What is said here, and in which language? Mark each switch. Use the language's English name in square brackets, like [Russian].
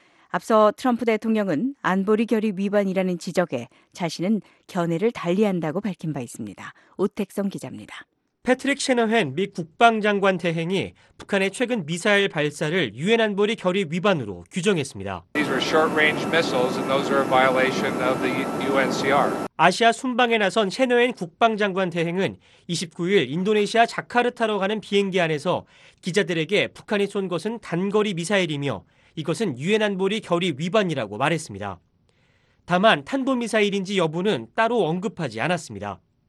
[Korean] 앞서 트럼프 대통령은 안보리 결의 위반이라는 지적에 자신은 견해를 달리한다고 밝힌 바 있습니다. 오택성 기자입니다. 패트릭 셰너헨 미 국방장관 대행이 북한의 최근 미사일 발사를 유엔 안보리 결의 위반으로 규정했습니다. [English] These were short-range missiles and those are a violation of the UNCR. [Korean] 아시아 순방에 나선 셰너헨 국방장관 대행은 29일 인도네시아 자카르타로 가는 비행기 안에서 기자들에게 북한이 쏜 것은 단거리 미사일이며 이것은 유엔 안보리 결의 위반이라고 말했습니다. 다만 탄도미사일인지 여부는 따로 언급하지 않았습니다.